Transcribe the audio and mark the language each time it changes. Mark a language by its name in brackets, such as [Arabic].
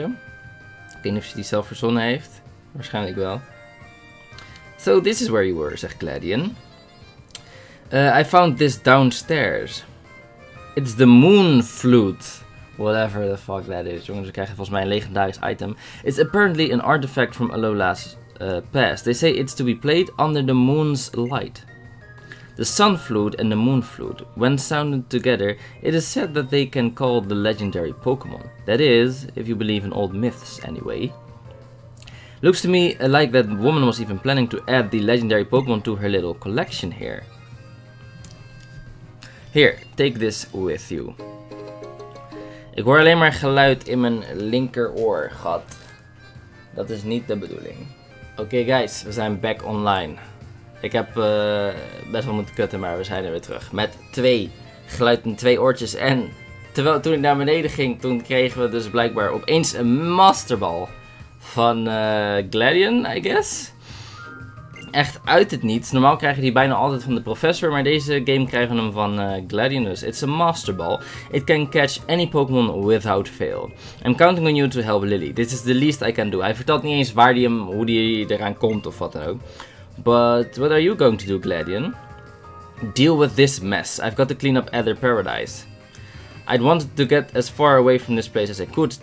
[Dutch] Ik weet niet of ze die zelf verzonnen heeft. Waarschijnlijk wel. [English] So this is where you were, [Dutch] zegt Gladion. [English] I found this downstairs. It's the moon flute. Whatever the fuck that is. [Dutch] Jongens, we krijgen volgens mij een legendarisch item. [English] It's apparently an artifact from Alola's past. They say it's to be played under the moon's light. The sun flute and the moon flute, when sounded together, it is said that they can call the legendary Pokémon. That is, if you believe in old myths anyway. Looks to me like that woman was even planning to add the legendary Pokémon to her little collection here. Here, take this with you. [Dutch] Ik hoor alleen maar geluid in mijn linkeroor, gat. Dat is niet de bedoeling. Oké, guys, we zijn back online. Ik heb best wel moeten kutten, maar we zijn er weer terug. Met twee geluid in twee oortjes. En terwijl toen ik naar beneden ging, toen kregen we dus blijkbaar opeens een masterbal. Van Gladion, [English] I guess. [Dutch] Echt uit het niets. Normaal krijgen die bijna altijd van de professor. Maar deze game krijgen we hem van Gladion. [English] Dus it's a master ball. It can catch any Pokémon without fail. I'm counting on you to help Lily. This is the least I can do. [Dutch] Hij vertelt niet eens waar die hem, hoe die eraan komt of wat dan ook. [English] But what are you going to do, Gladion? Deal with this mess. I've got to clean up Aether Paradise. I'd wanted to get as far away from this place as I could.